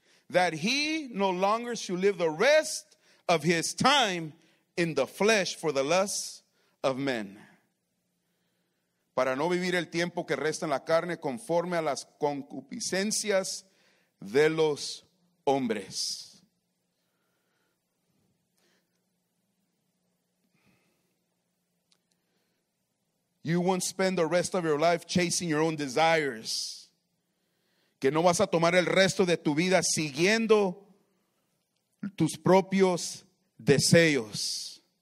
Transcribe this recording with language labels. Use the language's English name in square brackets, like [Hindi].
[English] That he no longer should live the rest of his time in the flesh for the lusts of men. [Spanish] para no vivir el tiempo que resta en la carne conforme a las concupiscencias de los hombres. [English] You won't spend the rest of your life chasing your own desires. [Spanish] Que no vas a tomar el resto de tu vida siguiendo tus propios deseos.